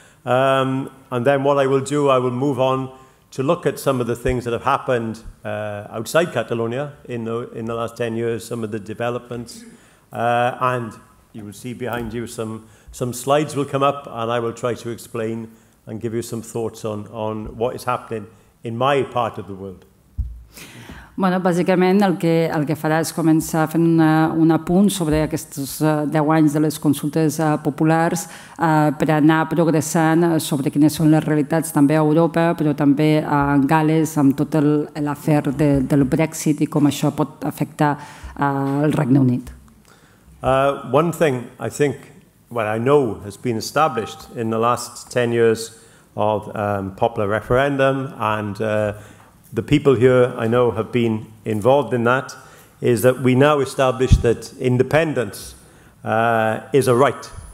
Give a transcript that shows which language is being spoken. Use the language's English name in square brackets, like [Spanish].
[English] And then what I will do, I will move on to look at some of the things that have happened outside Catalonia in the last 10 years, some of the developments. And you will see behind you some slides will come up, and I will try to explain and give you some thoughts on what is happening in my part of the world. [Catalan] Bueno, bàsicament el que farà és començar fent un apunt sobre aquests 10 anys de les consultes populars per anar progressant sobre quines són les realitats també a Europa, però també a Gales, amb tot l'afer del Brexit i com això pot afectar el Regne Unit. [English] One thing I think, well, I know has been established in the last 10 years of popular referendum and the people here, I know, have been involved in that, is that we now establish that independence is a right.